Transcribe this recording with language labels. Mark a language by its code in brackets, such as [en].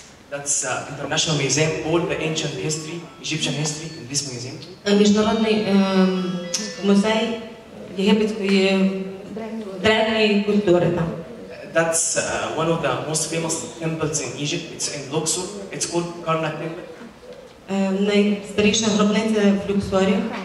[en] That's International Museum, all the ancient history, Egyptian history in this museum. [uk] Міжнародний музей єгипетської древньої культури там. [en] That's one of the most famous temples in Egypt. It's in Luxor. It's called Karnak Temple. [uk] Найстаріша гробниця в Люксорі.